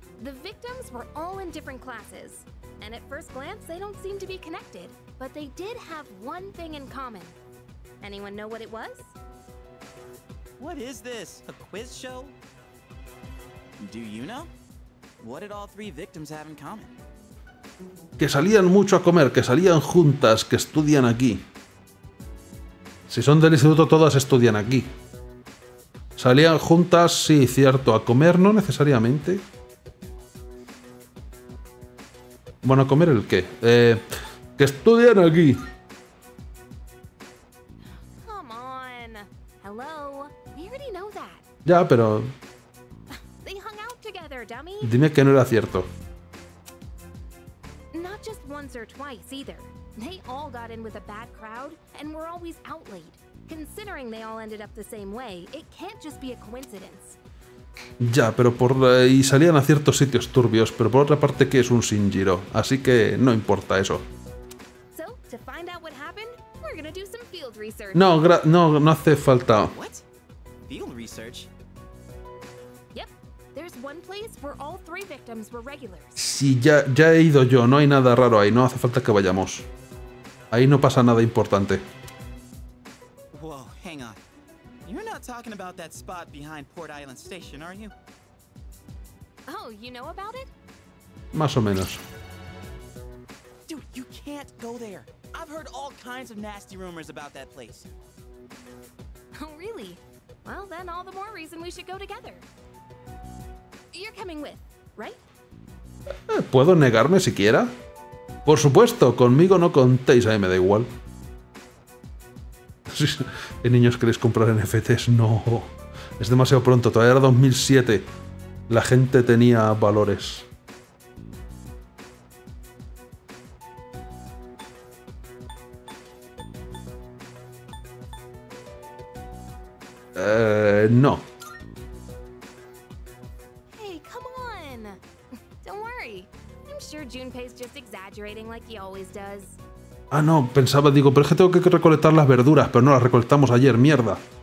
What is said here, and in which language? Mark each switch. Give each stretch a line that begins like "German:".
English: The victims were all in different classes, and at first glance, they don't seem to be connected, but they did have one thing in common. Anyone know what it was? What is this? A quiz show? Do you know? What did all three victims have in common?
Spanish: Que salían mucho a comer, que salían juntas, que estudian aquí. Si son del instituto, todas estudian aquí. Salían juntas, sí, cierto, a comer no necesariamente. Bueno, ¿a comer el qué? Que estudian aquí.
English: Come on. Hello. We already know that.
Spanish: Ya, pero...
English: They hung out together, dummy.
Spanish: Dime que no era cierto.
English: Just once or twice either. They all got in with a bad crowd and were always out late. Considering they all ended up the same way, it can't just be a coincidence.
Spanish: Ya, pero por y salían a ciertos sitios turbios, pero por otra parte que es un Shinjiro, así que no importa eso.
English: So, to find out what happened, we're gonna do some field research.
Spanish: No hace falta.
English: What? Field research. There's one place where all three victims were regulars.
Spanish: Sí, ya he ido yo, no hay nada raro ahí, no hace falta que vayamos. Ahí no pasa nada importante.
English: Whoa, hang on. You're not talking about that spot behind Port Island Station, are you? Oh, you know about it?
Spanish: Más o menos.
English: Dude, you can't go there. I've heard all kinds of nasty rumors about that place. Oh, really? Well, then all the more reason we should go together. You're coming with, right?
Spanish: ¿Puedo negarme siquiera? Por supuesto, conmigo no contéis, a mí me da igual. ¿Hay niños que queréis comprar NFTs? No. Es demasiado pronto, todavía era 2007. La gente tenía valores. No.
English: Hey, come on. Don't worry. I'm sure Junpei's just exaggerating like he always does.
Spanish: Ah, no, pensaba, digo, pero es que tengo que recolectar las verduras, pero no las recolectamos ayer, mierda.